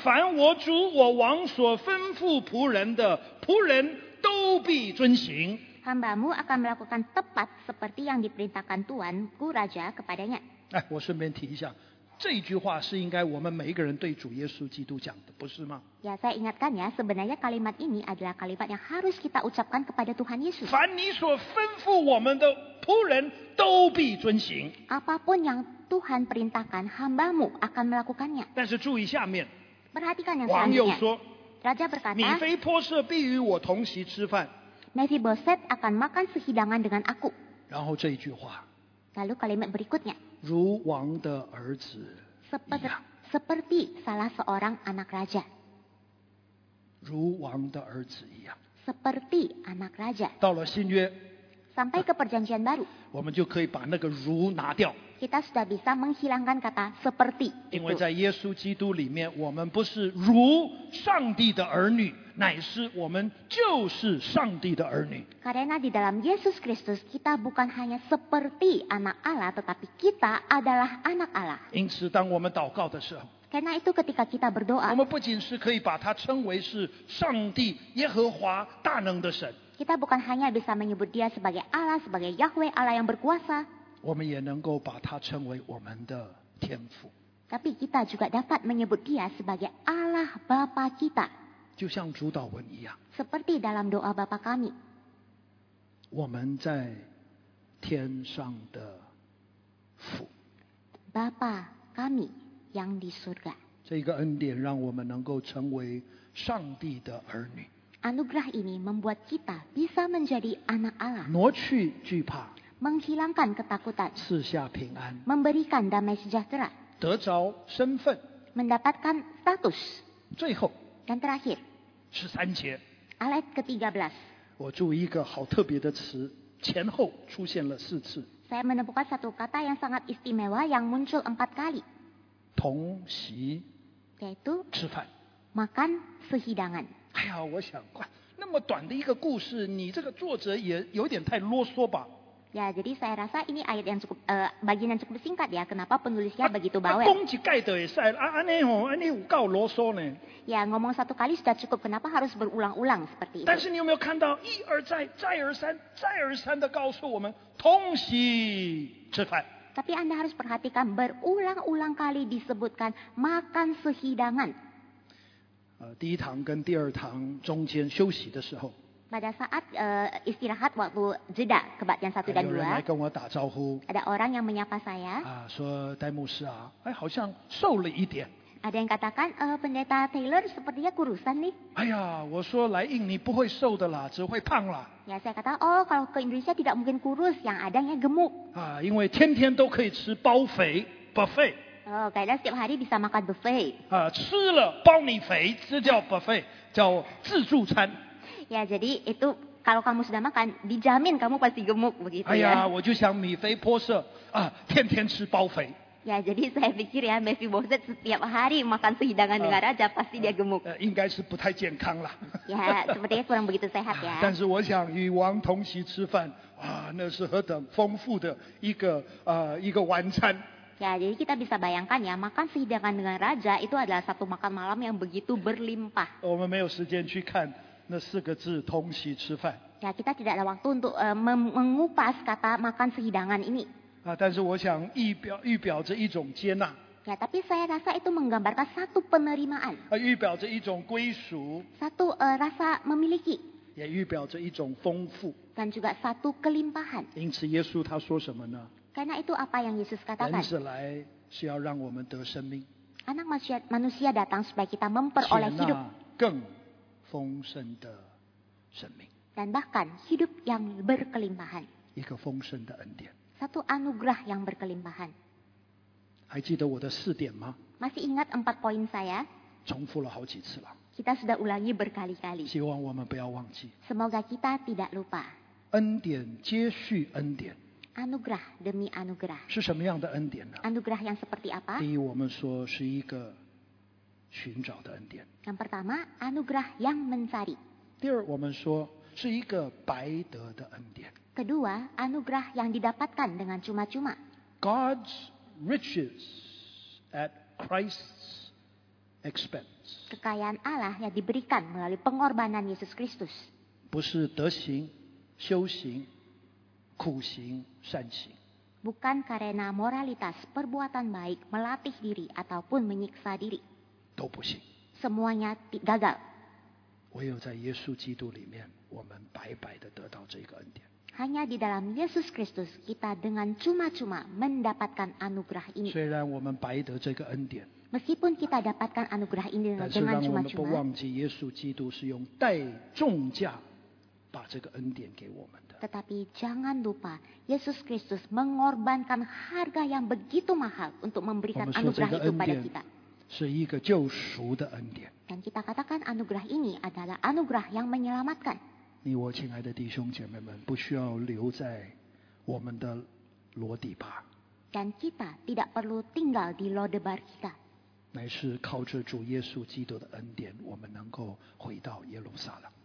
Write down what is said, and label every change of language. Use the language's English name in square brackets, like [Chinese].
[Chinese] 凡我主我王所吩咐仆人的，仆人都必遵行。 [Indonesian] Hambamu akan melakukan tepat seperti yang diperintahkan tuanku raja kepadanya. [Chinese] 哎，我顺便提一下。这句话是应该我们每一个人对主耶稣基督讲的，不是吗？ [Indonesian] Ya, saya ingatkan ya, sebenarnya kalimat ini adalah kalimat yang harus kita ucapkan kepada Tuhan Yesus. [Chinese] 凡你所吩咐我们的仆人都必遵行。 [Indonesian] Apapun yang Tuhan perintahkan, hambamu akan melakukannya. [Chinese] 但是注意下面。 [Indonesian] Perhatikan yang selanjutnya. [Chinese] 王又说， [Indonesian] Raja berkata, [Chinese] 你非波设必与我同席吃饭。 [Indonesian] Mephibosheth akan makan sehidangan dengan aku. [Chinese] 然后这一句话。 [Indonesian] Lalu kalimat berikutnya. [Chinese] 如王的儿子一样。 [Indonesian] Seperti salah seorang anak raja. [Chinese] 如王的儿子一样。 [Indonesian] Seperti anak raja. [Chinese] 到了新约。 [Indonesian] Sampai ke perjanjian baru. [Chinese] 我们就可以把那个如拿掉。 [Indonesian] Kita sudah bisa menghilangkan kata seperti. [Chinese] 因为在耶稣基督里面，我们不是如上帝的儿女，乃是我们就是上帝的儿女。 [Indonesian] Karena di dalam Yesus Kristus kita bukan hanya seperti anak Allah, tetapi kita adalah anak Allah. [Chinese] 因此，当我们祷告的时候。 [Indonesian] Karena itu ketika kita berdoa. [Chinese] 我们不仅是可以把它称为是上帝耶和华大能的神。 [Indonesian] Kita bukan hanya bisa menyebut Dia sebagai Allah, sebagai Yahweh Allah yang berkuasa. [Chinese] 我们也能够把它称为我们的天父。 [Indonesian] Tapi kita juga dapat menyebut Dia sebagai Allah Bapa kita. [Chinese] 就像主祷文一样。 [Indonesian] Seperti dalam doa Bapa kami. [Chinese] 我们在天上的父。 [Indonesian] Bapa kami yang di surga. [Chinese] 这个恩典让我们能够成为上帝的儿女。 [Indonesian] Anugerah ini membuat kita bisa menjadi anak Allah. [Chinese] 挪去惧怕。 [Indonesian] Menghilangkan ketakutan. [Chinese] 赐下平安。 [Indonesian] Memberikan damai sejahtera. [Chinese] 得着身份。 [Indonesian] Mendapatkan status. [Chinese] 最后。 [Indonesian] Dan terakhir. [Chinese] 十三节。 [Indonesian] Ayat ke-13. [Chinese] 我注意一个好特别的词，前后出现了四次。 [Indonesian] Saya menemukan satu kata yang sangat istimewa yang muncul empat kali. [Chinese] 同席。 [Indonesian] Yaitu. [Chinese] 吃饭。 [Indonesian] Makan sehidangan. [Chinese] 哎呀，我想，那么短的一个故事，你这个作者也有点太啰嗦吧？ [Indonesian] Ya, jadi saya rasa ini ayat yang cukup, bagian yang cukup singkat ya. Kenapa penulisnya begitu bawel? [Chinese] 讲一届就会使，安尼有够啰嗦呢。 [Indonesian] Ya, ngomong satu kali sudah cukup. Kenapa harus berulang-ulang seperti itu? [Chinese] 但是你有没有看到一而再，再而三，再而三的告诉我们同席吃饭？ [Indonesian] Tapi anda harus perhatikan berulang-ulang kali disebutkan makan sehidangan. [Chinese] 第一堂跟第二堂中间休息的时候。 [Indonesian] Pada saat istirahat waktu jeda kebaktian satu dan dua. [Chinese] 有人来跟我打招呼。 [Indonesian] Ada orang yang menyapa saya. [Chinese] 说戴牧师啊，哎，好像瘦了一点。 [Indonesian] Ada yang katakan pendeta Taylor sepertinya kurusan nih. [Chinese] 哎呀，我说来印尼不会瘦的啦，只会胖啦。 [Indonesian] Ya, saya kata kalau ke Indonesia tidak mungkin kurus, yang ada yang gemuk. [Chinese] 因为天天都可以吃包肥 buffet。 [Indonesian] Karena setiap hari bisa makan buffet. [Chinese] 吃了包你肥，这叫 buffet， 叫自助餐。 [Indonesian] Ya, jadi itu kalau kamu sudah makan, dijamin kamu pasti gemuk begitu. [Chinese] 哎呀，我就想米菲波设啊，天天吃包肥。 [Indonesian] Ya, jadi saya pikir ya, Mephibosheth setiap hari makan sehidangan dengan raja pasti dia gemuk. [Chinese] 应该是不太健康了。 [Indonesian] Ya, sepertinya kurang begitu sehat ya. [Chinese] 但是我想与王同席吃饭，哇，那是何等丰富的一个晚餐。 [Indonesian] Ya, jadi kita bisa bayangkan ya, makan sehidangan dengan raja itu adalah satu makan malam yang begitu berlimpah. [Chinese] 我们没有时间去看那四个字同席吃饭。 [Indonesian] Ya, kita tidak ada waktu untuk mengupas kata makan sehidangan ini. [Chinese] 但是我想预表着一种接纳。 [Indonesian] Ya, tapi saya rasa itu menggambarkan satu penerimaan. [Chinese] 预表着一种归属。 [Indonesian] Satu rasa memiliki. [Chinese] 也预表着一种丰富。 [Indonesian] Dan juga satu kelimpahan. [Chinese] 因此耶稣他说什么呢？ [Indonesian] Karena itu apa yang Yesus katakan. [Chinese] 人子来是要让我们得生命。 [Indonesian] Anak manusia datang supaya kita memperoleh hidup. [Chinese] 且那更丰盛的生命。 [Indonesian] Dan bahkan hidup yang berkelimpahan. [Chinese] 一个丰盛的恩典。 [Indonesian] Satu anugerah yang berkelimpahan. [Chinese] 还记得我的四点吗？ [Indonesian] Masih ingat empat poin saya? [Chinese] 重复了好几次了。 [Indonesian] Kita sudah ulangi berkali-kali. [Chinese] 希望我们不要忘记。 [Indonesian] Semoga kita tidak lupa. [Chinese] 恩典接续恩典。 [Indonesian] Anugerah demi anugerah. [Chinese] 是什么样的恩典呢？ [Indonesian] Anugerah yang seperti apa? [Chinese] 第一，我们说是一个寻找的恩典。 [Indonesian] Yang pertama, anugerah yang mencari. [Chinese] 第二，我们说是一个白得的恩典。 [Indonesian] Kedua, anugerah yang didapatkan dengan cuma-cuma. [English] God's riches at Christ's expense. [Indonesian] Kekayaan Allah yang diberikan melalui pengorbanan Yesus Kristus. [Chinese] 不是德行、修行。苦行善行 [Indonesian] bukan karena moralitas perbuatan baik melatih diri ataupun menyiksa diri [Chinese] 都不行 [Indonesian] semuanya gagal [Chinese] 唯有在耶稣基督里面我们白白地得到这个恩典 [Indonesian] hanya di dalam Yesus Kristus kita dengan cuma-cuma mendapatkan anugerah ini [Chinese] 虽然我们白得这个恩典 [Indonesian] Meskipun kita dapatkan anugerah ini dengan cuma-cuma. [Chinese] 但是让我们不忘记，耶稣基督是用代重价把这个恩典给我们的。 [Indonesian] Tetapi jangan lupa, Yesus Kristus mengorbankan harga yang begitu mahal untuk memberikan anugerah itu pada kita. [Chinese] 是一个救赎的恩典。 [Indonesian] Dan kita katakan anugerah ini adalah anugerah yang menyelamatkan. [Chinese] 你我亲爱的弟兄姐妹们，不需要留在我们的罗底吧。 [Indonesian] Dan kita tidak perlu tinggal di Lodebar kita. [Chinese] 乃是靠着主耶稣基督的恩典，我们能够回到耶路撒冷。